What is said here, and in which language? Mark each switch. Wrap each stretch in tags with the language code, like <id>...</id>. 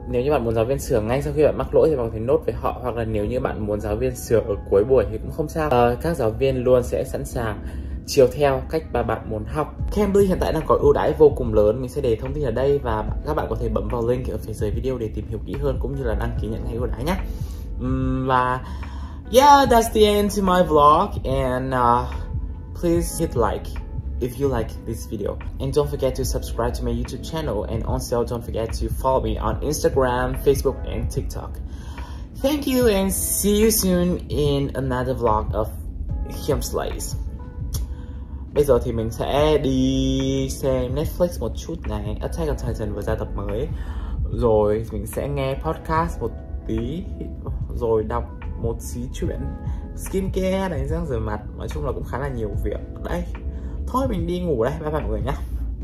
<vi>Nếu như bạn muốn giáo viên sửa ngay sau khi bạn mắc lỗi thì bạn có thể nốt với họ. Hoặc là nếu như bạn muốn giáo viên sửa ở cuối buổi thì cũng không sao. Các giáo viên luôn sẽ sẵn sàng chiều theo cách mà bạn muốn học. Cambly hiện tại đang có ưu đãi vô cùng lớn. Mình sẽ để thông tin ở đây và các bạn có thể bấm vào link ở phía dưới video để tìm hiểu kỹ hơn cũng như là đăng ký nhận ngay ưu đãi nhé.</vi> <en>Và yeah, that's the end to my vlog. And please hit like if you like this video. And don't forget to subscribe to my YouTube channel. And also don't forget to follow me on Instagram, Facebook and TikTok. Thank you and see you soon in another vlog of Khiemslays.</en> <vi>Bây giờ thì mình sẽ đi xem Netflix một chút này. Attack on Titan vừa ra tập mới. Rồi mình sẽ nghe podcast một tí. Rồi đọc một xí chuyện. Skincare này, răng rửa mặt. Nói chung là cũng khá là nhiều việc. Đây, thôi mình đi ngủ đây. Bye bye mọi người nhá.</vi>